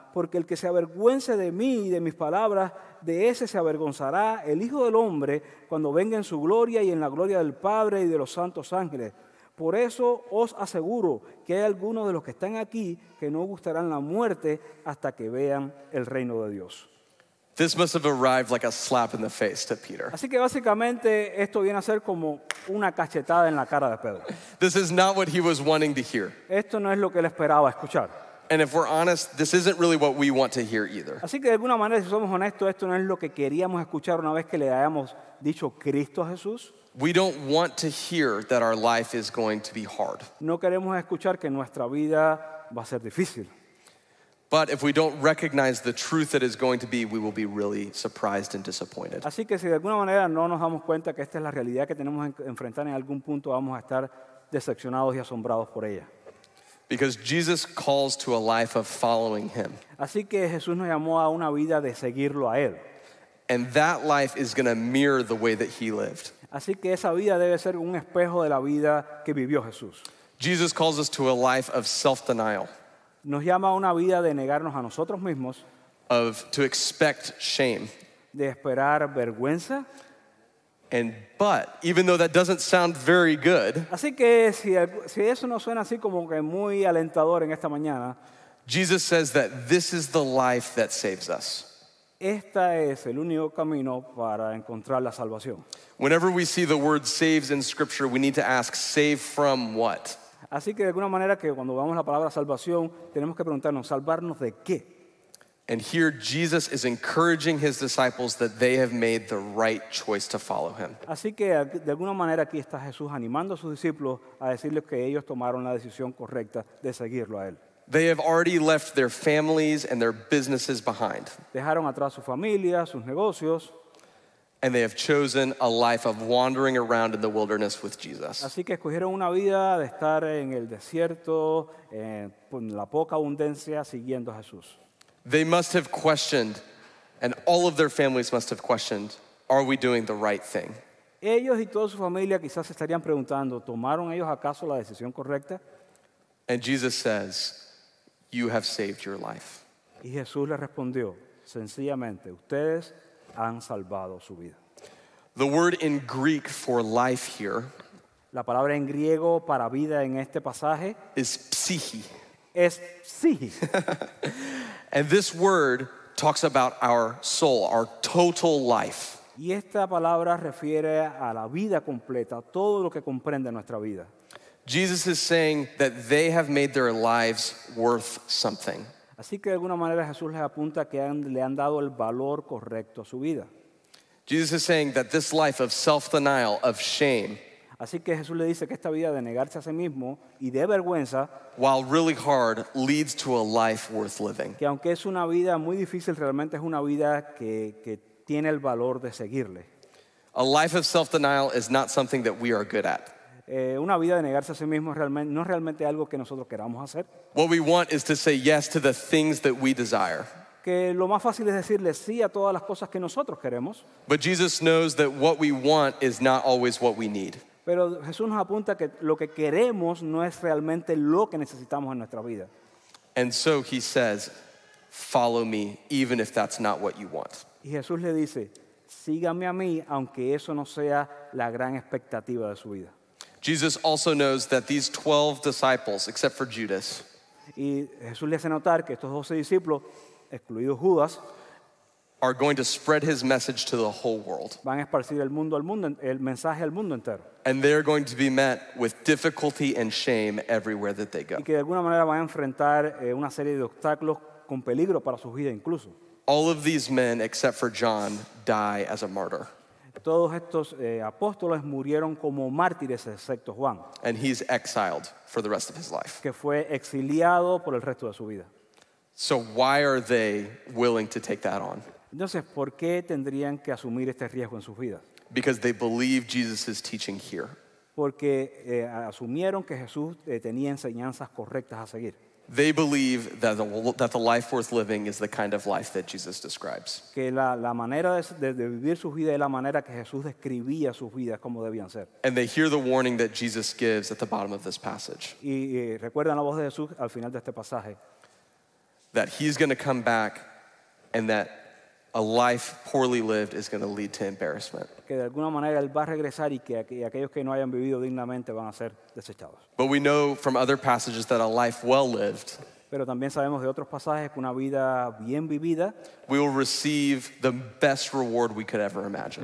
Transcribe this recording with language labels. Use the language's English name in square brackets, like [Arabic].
[Spanish] Porque el que se avergüence de mí y de mis palabras, de ese se avergonzará el Hijo del Hombre cuando venga en su gloria y en la gloria del Padre y de los santos ángeles. Por eso os aseguro que hay algunos de los que están aquí que no gustarán la muerte hasta que vean el reino de Dios. [English] This must have arrived like a slap in the face to Peter. [Spanish] Así que básicamente esto viene a ser como una cachetada en la cara de Pedro. [English] This is not what he was wanting to hear. [Spanish] Esto no es lo que él esperaba escuchar. [English] And if we're honest, this isn't really what we want to hear either. [Spanish] Así que de alguna manera, si somos honestos, esto no es lo que queríamos escuchar una vez que le hayamos dicho Cristo a Jesús. [English] We don't want to hear that our life is going to be hard. [Spanish] No queremos escuchar que nuestra vida va a ser difícil. [English] But if we don't recognize the truth that is going to be, we will be really surprised and disappointed. [Spanish] Así que si de alguna manera no nos damos cuenta que esta es la realidad que tenemos que enfrentar, en algún punto vamos a estar decepcionados y asombrados por ella. [English] Because Jesus calls to a life of following him. [Spanish] Así que Jesús nos llamó a una vida de seguirlo a él. [English] And that life is going to mirror the way that he lived. [Spanish] Así que esa vida debe ser un espejo de la vida que vivió Jesús. [English] Jesus calls us to a life of self-denial. [Spanish] Nos llama a una vida de negarnos a nosotros mismos. [English] Of to expect shame. [Spanish] De esperar vergüenza. [English] And but, even though that doesn't sound very good. [Spanish] Así que si eso no suena así como que muy alentador en esta mañana. [English] Jesus says that this is the life that saves us. [Spanish] Esta es el único camino para encontrar la salvación. [English] Whenever we see the word saves in scripture, we need to ask, save from what? [Spanish] Así que de alguna manera que cuando veamos la palabra salvación, tenemos que preguntarnos, ¿salvarnos de qué? [English] And here Jesus is encouraging his disciples that they have made the right choice to follow him. [Spanish] Así que de alguna manera aquí está Jesús animando a sus discípulos a decirles que ellos tomaron la decisión correcta de seguirlo a él. [English] They have already left their families and their businesses behind. [Spanish] Dejaron atrás su familia, sus negocios. [English] And they have chosen a life of wandering around in the wilderness with Jesus. [Spanish] Así que escogieron una vida de estar en el desierto, con la poca abundancia, siguiendo a Jesús. [English] They must have questioned, and all of their families must have questioned, are we doing the right thing? [Spanish] Ellos y toda su familia quizás estarían preguntando, ¿tomaron ellos acaso la decisión correcta? [English] And Jesus says, "You have saved your life." [Spanish] Y Jesús le respondió, sencillamente, ustedes han salvado su vida. [English] The word in Greek for life here, [Spanish] la palabra en griego para vida en este pasaje, [English] is psyche. [Spanish] Es psyche. [English] And this word talks about our soul, our total life. [Spanish] Y esta palabra refiere a la vida completa, todo lo que comprende nuestra vida. [English] Jesus is saying that they have made their lives worth something. [Spanish] Así que de alguna manera Jesús les apunta que le han dado el valor correcto a su vida. [English] Jesus is saying that this life of self-denial, of shame, [Spanish] así que Jesús le dice que esta vida de negarse a sí mismo y de vergüenza, [English] while really hard, leads to a life worth living. [Spanish] Que aunque es una vida muy difícil, realmente es una vida que tiene el valor de seguirle. [English] A life of self-denial is not something that we are good at. [Spanish] Una vida de negarse a sí mismo no es realmente algo que nosotros queramos hacer. [English] What we want is to say yes to the things that we desire. [Spanish] Que lo más fácil es decirle sí a todas las cosas que nosotros queremos. [English] But Jesus knows that what we want is not always what we need. [Spanish] Pero Jesús nos apunta que lo que queremos no es realmente lo que necesitamos en nuestra vida. [English] And so he says, follow me, even if that's not what you want. [Spanish] Y Jesús le dice, sígame a mí, aunque eso no sea la gran expectativa de su vida. [English] Jesus also knows that these 12 disciples, except for Judas, [Spanish] y Jesús le hace notar que estos 12 discípulos, excluido Judas, [English] are going to spread his message to the whole world. [Spanish] Van a esparcir el mensaje al mundo entero. [English] And they're going to be met with difficulty and shame everywhere that they go. [Spanish] Y que de alguna manera van a enfrentar una serie de obstáculos con peligro para su vida incluso. [English] All of these men, except for John, die as a martyr. [Spanish] Todos estos apóstoles murieron como mártires, excepto Juan. [English] And he's exiled for the rest of his life. [Spanish] Que fue exiliado por el resto de su vida. [English] So why are they willing to take that on? [Spanish] Entonces, ¿por qué tendrían que asumir este riesgo en sus vidas? [English] Because they believe Jesus' teaching here. [Spanish] Porque asumieron que Jesús tenía enseñanzas correctas a seguir. [English] They believe that the life worth living is the kind of life that Jesus describes. [Spanish] Que la manera de vivir su vida es la manera que Jesús describía sus vidas como debían ser. [English] And they hear the warning that Jesus gives at the bottom of this passage. [Spanish] Y recuerdan la voz de Jesús al final de este pasaje. [English] That he's going to come back and that a life poorly lived is going to lead to embarrassment. [Spanish] Que de alguna manera él va a regresar y que aquellos que no hayan vivido dignamente van a ser desechados. [English] But we know from other passages that a life well lived, [Spanish] pero también sabemos de otros pasajes que una vida bien vivida, [English] we will receive the best reward we could ever imagine.